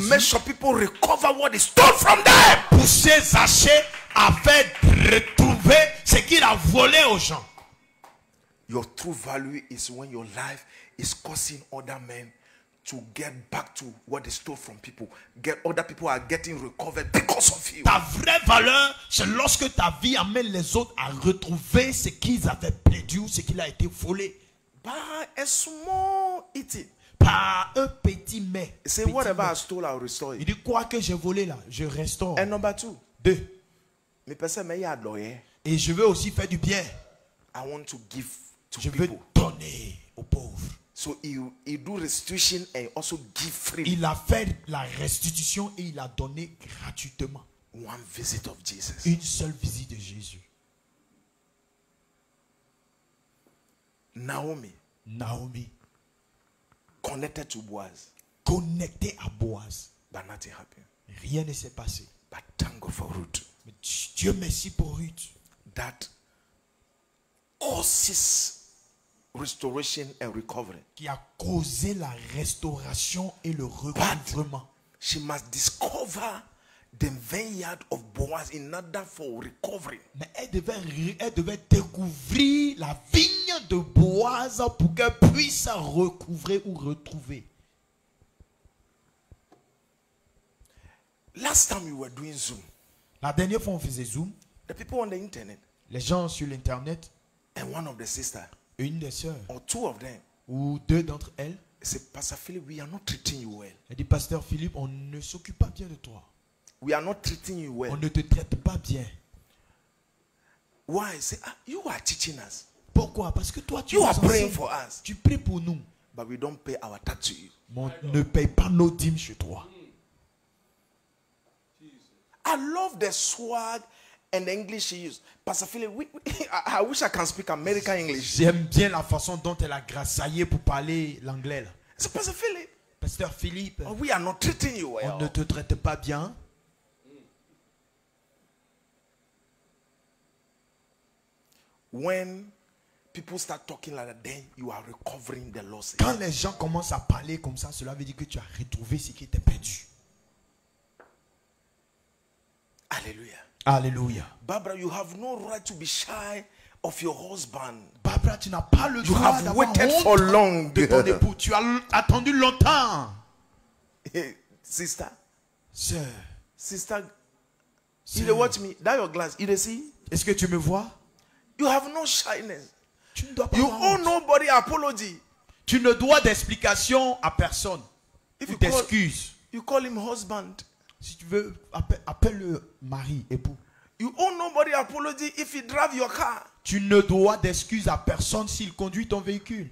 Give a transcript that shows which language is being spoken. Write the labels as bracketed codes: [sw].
[en] To make sure people recover what is stolen from them. [fr] Pousser Zacchée à faire retrouver ce qu'il a volé aux gens. [en] Your true value is when your life is causing other men to get back to what they stole from people. Get other people are getting recovered because of you. [fr] Ta vraie valeur, c'est lorsque ta vie amène les autres à retrouver ce qu'ils avaient perdu ou ce qu'il a été volé. [en] By a small eating. [fr] Par un petit mais. [en] Say whatever I stole, I'll restore. [fr] Il dit quoi que j'ai volé là, je restaure. [en] And number two. [fr] Deux. Mais personne mais y a loyer. Et je veux aussi faire du bien. [en] I want to give to [fr] je [en] people. [fr] Je veux donner aux pauvres. [en] So he do restitution and also give free. [fr] Il a fait la restitution et il a donné gratuitement. [en] One visit of Jesus. [fr] Une seule visite de Jésus. [en] Naomi. [fr] Naomi. [en] connected to Boaz. [fr] Connecté à Boaz. [en] But nothing happened. [fr] Rien ne s'est passé. [en] But thank God for Ruth. [fr] Mais Dieu merci pour Ruth. [en] That all this restoration and recovery. [fr] Qui a causé la restauration et le recouvrement. [en] But she must discover the vineyard of Boaz in order for recovery. [fr] Mais elle devait découvrir la vigne de Boaz pour qu'elle puisse recouvrer ou retrouver. [en] Last time we were doing Zoom. [fr] La dernière fois on faisait Zoom. [en] The people on the internet. [fr] Les gens sur l'internet. [en] And one of the sisters. [fr] Une des sœurs. [en] Or two of them. [fr] Ou deux d'entre elles. [en] Said, Pastor Philip, we are not treating you well. [fr] Elle dit, Pasteur Philippe, on ne s'occupe pas bien de toi. [en] We are not treating you well. [fr] On ne te traite pas bien. [en] Why? Say, ah, you are teaching us. [fr] Pourquoi? Parce que toi, tu [en] you are praying for us. [fr] Tu pries pour nous. [en] But we don't pay our tax to you. [fr] On ne paye pas nos dîmes chez toi. [en] I love the swag and the English she used. Pastor Philip, I wish I can speak American English. [fr] J'aime bien la façon dont elle a grassaillé pour parler l'anglais. [en] So, Pastor Philip. [fr] Pasteur Philippe. [en] We are not treating you well. [fr] On ne te traite pas bien. [en] When people start talking like that, then you are recovering the losses. [fr] Quand les gens commencent à parler comme ça, cela veut dire que tu as retrouvé ce qui était perdu. Alléluia. Alléluia. [en] Barbara, you have no right to be shy of your husband. [fr] Barbara, tu n'as pas le [en] you [fr] droit [en] have waited for long. [fr] De ton époux. Tu as attendu longtemps. [en] Sister. [fr] Sœur. [en] Sister. Sir. You watch me. That your glass. You see? [fr] Est-ce que tu me vois? [en] You have no shyness. [fr] Tu ne dois pas [en] you owe nobody apology. [fr] Tu ne dois d'explication à personne. [en] If [fr] ou d'excuse. [en] You call him husband. [fr] Si tu veux, appelle-le mari, époux. [en] You owe nobody apology if he drive your car. [fr] Tu ne dois d'excuse à personne s'il conduit ton véhicule.